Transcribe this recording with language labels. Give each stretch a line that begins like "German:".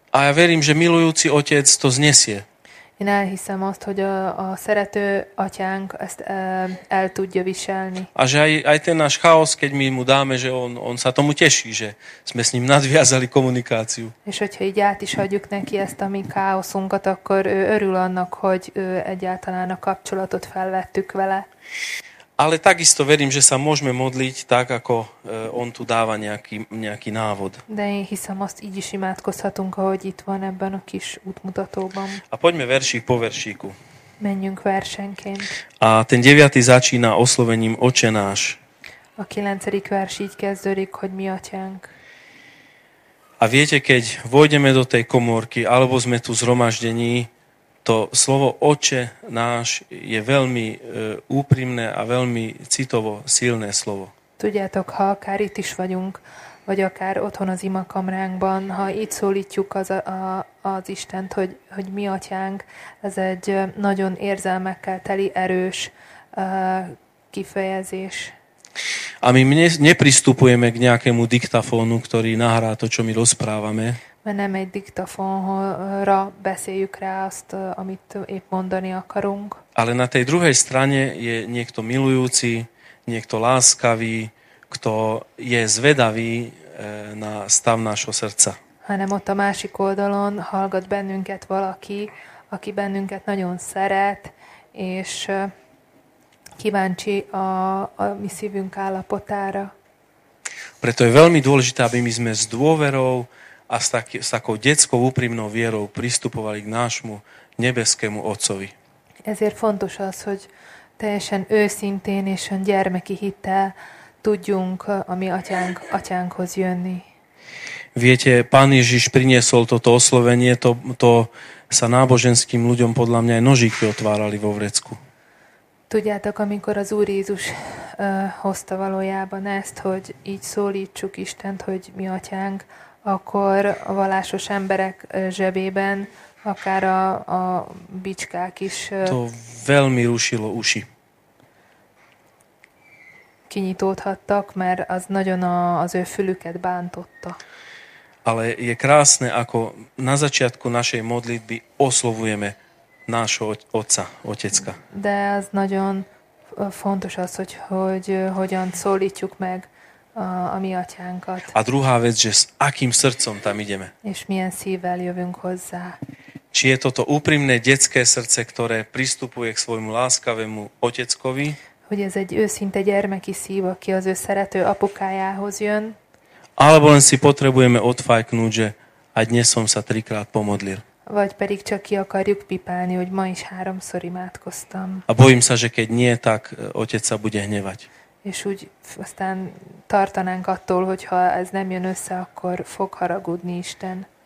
Slovak: A ja verím, že milujúci otec to znesie.
Hungarian: Én elhiszem azt, hogy a szerető atyánk ezt el tudja viselni.
Slovak: A že aj ten náš chaos, keď my mu dáme, že on sa tomu teší, že sme s ním nadviazali komunikáciu.
Hungarian: És hogyha így át is adjuk neki ezt a mi káoszunkat, akkor ő örül annak, hogy egyáltalán a kapcsolatot felvettük vele.
Slovak: Ale takisto verím, že sa môžeme modliť tak, ako on tu dáva nejaký návod.
Hungarian: De én hiszem, azt így is imádkozhatunk, ahogy itt van ebben a kis útmutatóban.
Slovak: A poďme versík po versíku.
Hungarian: Menjünk versenként.
Slovak: A ten 9. začína oslovením Oče náš.
Hungarian: A 9. vers így kezdődik, hogy mi atyánk.
Slovak: A viete, keď vojdeme do tej komórky, alebo sme tu zhromaždení, to slovo Oče náš je veľmi úprimné a veľmi citovo silné slovo.
Hungarian: Tudjátok, ha akár itt is vagyunk, vagy akár otthon az imakamránkban, ha itt szólítjuk az Istent, hogy mi atyánk, ez egy nagyon érzelmekkel teli erős kifejezés.
Slovak: A my nepristupujeme k nejakému diktafónu, ktorý nahrá to, čo my rozprávame.
Hungarian: Mert nem egy diktafonra beszéljük rá azt, amit épp mondani akarunk.
Slovak: Ale na tej druhej strane je niekto milujúci, niekto láskavý, kto je zvedavý na stav nášho srdca.
Hungarian: Hanem ott a másik oldalon hallgat bennünket valaki, aki bennünket nagyon szeret, és kíváncsi a mi szívünk állapotára.
Slovak: Preto je veľmi dôležité, aby my sme s dôverou a s takou detskou úprimnou vierou pristupovali k nášmu nebeskému Otcovi.
Hungarian: Ezért fontos az, hogy teljesen őszintén és ön gyermeki hittel tudjunk a mi atyánkhoz jönni.
Slovak: Viete, Pán Ježiš priniesol toto oslovenie, to sa náboženským ľuďom podľa mňa aj nožíky otvárali vo vrecku.
Hungarian: Tudjátok, amikor az Úr Jézus hozta valójában ezt, hogy így szólítsuk Istent, hogy mi atyánk, akkor a vallásos emberek zsebében akár a bicskák is
Slovak: to veľmi rušilo uši.
Hungarian: Kinyitódhattak, mert az nagyon az ő fülüket bántotta.
Slovak: Ale je krásne, ako na začiatku našej modlitby oslovujeme nášho otca, otecka.
Hungarian: De az nagyon fontos az, hogy hogyan szólítjuk meg a mi atyánkat.
Slovak: A druhá vec, že s akým srdcom tam ideme.
Hungarian: És milyen szívvel jövünk hozzá.
Slovak: Či je toto úprimné detské srdce, ktoré pristupuje k svojmu láskavému oteckovi.
Hungarian: Hogy ez egy őszinte gyermeki szív, aki az ő szerető apukájához jön.
Slovak: Alebo len si potrebujeme odfajknúť, že aj dnes som sa trikrát pomodlil.
Hungarian: Vagy pedig csak ki akarjuk pipálni, hogy ma is háromszor imádkoztam.
Slovak: A bojím sa, že keď nie, tak otec sa bude hnevať.
Hungarian: És úgy aztán tartanánk attól, hogyha ez nem jön össze, akkor fog haragudni Isten.